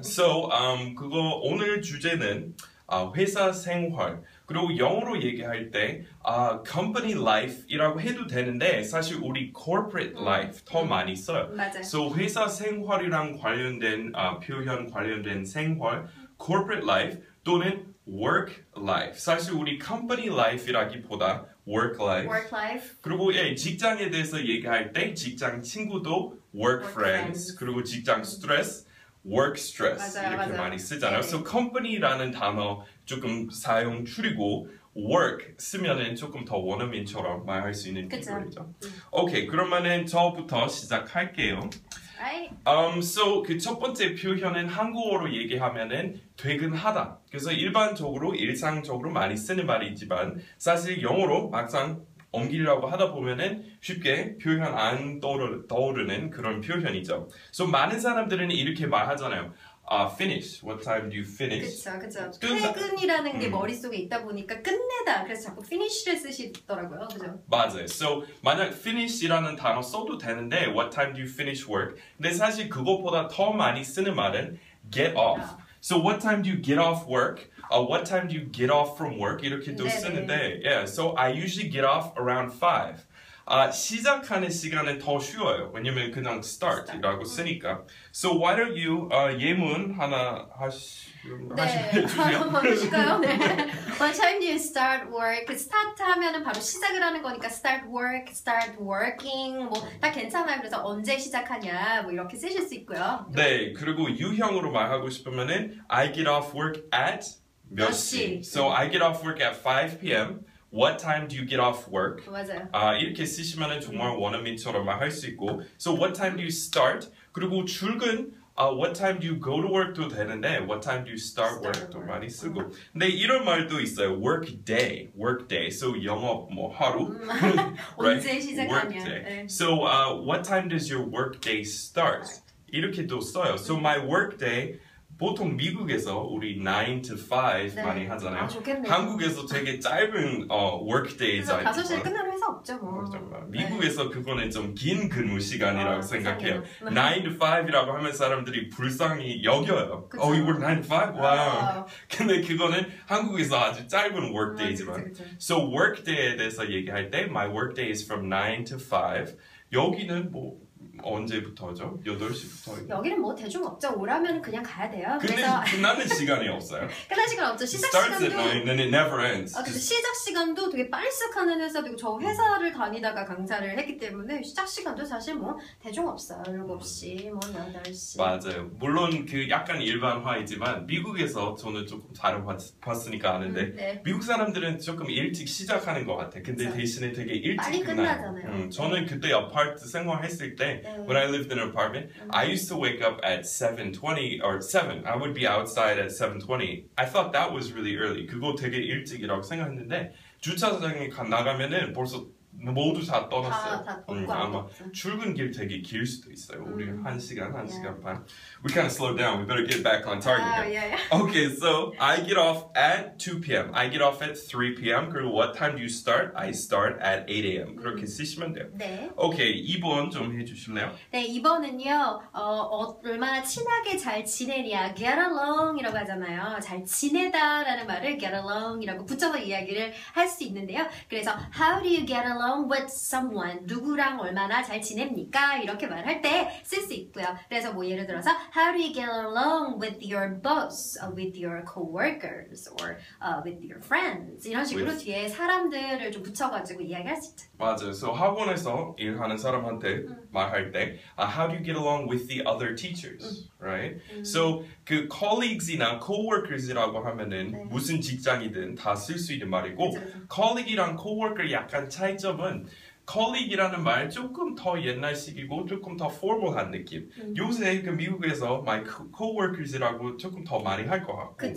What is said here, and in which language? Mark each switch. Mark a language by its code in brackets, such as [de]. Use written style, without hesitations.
[ko] So, 그거 오늘 주제는 회사 생활. 그리고 영어로 얘기할 때 company life이라고 해도 되는데 사실 우리 corporate life 더 많이 써요. 맞아요. So 회사 생활이랑 관련된 표현 관련된 생활, corporate life 또는 work life. 사실 우리 company life이라기보다 work life. [en] Work life. [ko] 그리고 예, 직장에 대해서 얘기할 때 직장 친구도 work friends. 그리고 직장 stress, work stress. 맞아요, 이렇게 맞아요. 많이 쓰잖아요. 네. So company라는 단어 조금 사용 줄이고 work 쓰면은 조금 더 원어민처럼 말할 수 있는 비율이죠. 오케이, 그러면은 저부터 시작할게요. [en] Right. [ko] So 그 첫 번째 표현은 한국어로 얘기하면은 퇴근하다. 그래서 일반적으로 일상적으로 많이 쓰는 말이지만 사실 영어로 막상 옮기려고 하다 보면은 쉽게 표현 안 떠오르는 그런 표현이죠. So 많은 사람들은 이렇게 말하잖아요. [en] Finish. What time do you finish? [ko] 그쵸, 그쵸. 퇴근이라는 게 머릿속에 있다 보니까 끝내다. 그래서 자꾸 finish를 쓰시더라고요. 그죠? 맞아요. So, 만약 finish이라는 단어 써도 되는데, [en] what time do you finish work? [ko] 근데 사실 그것보다 더 많이 쓰는 말은 get off. [en] So, what time do you get off work? What time do you get off from work? [ko] 이렇게도 네네. 쓰는데, yeah. [en] So, I usually get off around 5. [ko] 시작하는 시간은 더 쉬워요. 왜냐면 그냥 start이라고 쓰니까. [en] So why don't you [ko] 예문 하나 하실까요? 네. [en] What time do you start work? [ko] Start 하면은 바로 시작을 하는 거니까 start work, start working 뭐 다 괜찮아요. 그래서 언제 시작하냐 뭐 이렇게 쓰실 수 있고요. 네. 그리고 유형으로 말하고 싶으면은 [en] I get off work at [ko] 몇 시. [en] So I get off work at 5 p.m. What time do you get off work? [ko] 맞아요. 이렇게 쓰시면 정말 원어민처럼 할 수 있고 [en] So what time do you start? 그리고 출근 What time do you go to work? [ko] 도 되는데 [en] What time do you start work? [ko] 도 많이 쓰고 근데 이런 말도 있어요 [en] Work day Work day So [ko] 영어 뭐 하루 [en] right? [ko] 언제 시작하냐 work day. 네. [en] So what time does your work day start? [ko] 이렇게도 써요 [en] So my work day 보통 미국에서 우리 9 to 5 [ko] 네. 많이 하잖아요. 아, 좋겠네요. 한국에서 되게 짧은 work days 5시에 끝나는 회사 없죠. 뭐. 미국에서 네. 그거는 좀 긴 근무 시간이라고 생각해요. 9 to 5이라고 하면 사람들이 불쌍히 여겨요. 그쵸? [en] Oh, you work 9 to 5? Wow. 아. [ko] 근데 그거는 한국에서 아주 짧은 work days지만. 그쵸. [en] So work day에 대해서 얘기할 때 my work day is from 9 to 5. [ko] 여기는 뭐 언제부터죠? 8시부터 여기는 뭐 대충 없죠. 오라면 그냥 가야 돼요. 근데 그래서 끝나는 시간이 없어요. 끝나는 시간 없죠. 시작 [en] starts [ko] 시간도 [en] starts at 9 and it never ends. [ko] 근데 시작 시간도 되게 빨리 시작하는 회사도 저 회사를 다니다가 강사를 했기 때문에 시작 시간도 사실 뭐 대충 없어요. 7시, 뭐 8시. 맞아요. 물론 그 약간 일반화이지만 미국에서 저는 조금 다른 봤으니까 아는데 네. 미국 사람들은 조금 일찍 시작하는 것 같아. 근데 그쵸? 대신에 되게 일찍 빨리 끝나요. 끝나잖아요. 저는 그때 아파트 생활했을 때 [en] When I lived in an apartment, I used to wake up at 7:20 or 7. I would be outside at 7:20. I thought that was really early. [ko] 그거 되게 일찍이라고 생각했는데 주차장에 나가면은 벌써 모두 다 떠났어요. 다 벗고 아마 출근길 되게 길 수도 있어요. 우리 한 시간, 한 시간 반. [en] We kind of slowed down. We better get back on target. Okay, so I get off at 2 p.m. I get off at 3 p.m. [ko] 그리고 [en] what time do you start? I start at 8 a.m. [ko] 그렇게 쓰시면 돼요. 네. [en] Okay, 2번 좀 해주실래요? [ko] 네, 2번은요. 얼마나 친하게 잘 지내냐. Get along이라고 하잖아요. 잘 지내다라는 말을 get along이라고 붙여서 이야기를 할 수 있는데요. [en] 그래서 how do you get along? Along with someone, [ko] 누구랑 얼마나 잘 지냅니까? 이렇게 말할 때 쓸 수 있고요. 그래서 뭐 예를 들어서 [en] How do you get along with your boss, with your co-workers, or with your friends? [ko] 이런 식으로 with. 뒤에 사람들을 좀 붙여가지고 이야기할 수 있죠. 맞아요. [en] So [ko] 학원에서 일하는 사람한테 말할 때 [en] How do you get along with the other teachers? Right? [ko] So 그 colleagues이나 co-workers이라고 하면은 네. 무슨 직장이든 다 쓸 수 있는 말이고 그렇죠. colleague이랑 co-worker 약간 차이점은 colleague이라는 말 조금 더 옛날식이고 조금 더 formal한 느낌. 요새 그 미국에서 my co-workers이라고 조금 더 많이 할 것 같고